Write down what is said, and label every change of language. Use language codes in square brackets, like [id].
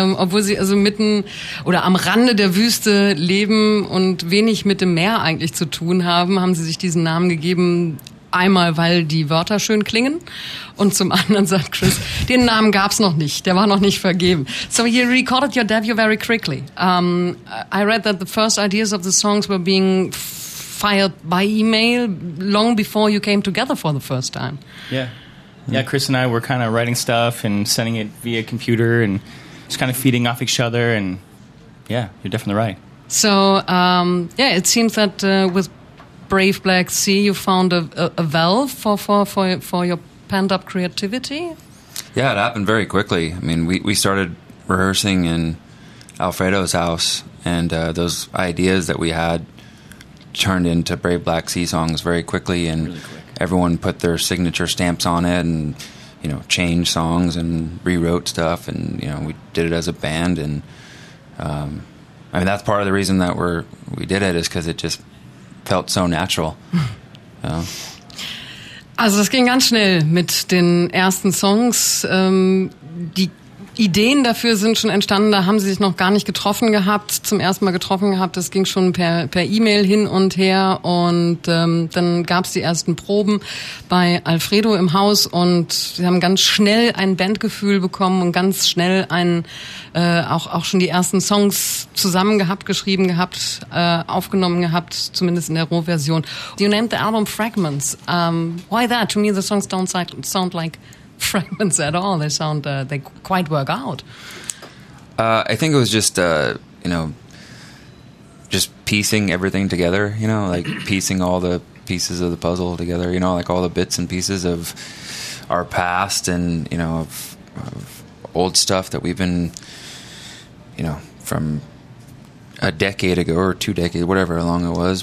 [de] Obwohl sie also mitten oder am Rande der Wüste leben und wenig mit dem Meer eigentlich zu tun haben, haben sie sich diesen Namen gegeben, einmal, weil die Wörter schön klingen. Und zum anderen sagt Chris, den Namen gab es noch nicht. Der war noch nicht vergeben. [en] So he recorded your debut very quickly. I read that the first ideas of the songs were being fired by email long before you came together for the first time. Yeah. Yeah, Chris and I were kind of writing stuff and sending it via computer and just kind of feeding off each other. And yeah, you're definitely right. So, yeah, it seems that with Brave Black Sea, you found a valve for your pent-up creativity? Yeah, it happened very quickly. I mean, we started rehearsing in Alfredo's house, and those ideas that we had turned into Brave Black Sea songs very quickly, and really quick. Everyone put their signature stamps on it and, you know, changed songs and rewrote stuff, and, you know, we did it as a band, and... I mean, that's part of the reason that we did it, is because it just felt so natural. [de] Ja. Also es ging ganz schnell mit den ersten Songs. Die Ideen dafür sind schon entstanden, da haben sie sich noch gar nicht getroffen gehabt, zum ersten Mal getroffen gehabt. Das ging schon per E-Mail hin und her, und dann gab es die ersten Proben bei Alfredo im Haus, und sie haben ganz schnell ein Bandgefühl bekommen und ganz schnell auch schon die ersten Songs zusammen gehabt, geschrieben gehabt, aufgenommen gehabt, zumindest in der Rohversion. [en] You named the album Fragments. Why that? To me the songs don't sound like fragments at all. They sound they quite work out. I think it was just you know, just piecing everything together, you know, like piecing all the pieces of the puzzle together, you know, like all the bits and pieces of our past and, you know, of old stuff that we've been, you know, from a decade ago or two decades, whatever long it was.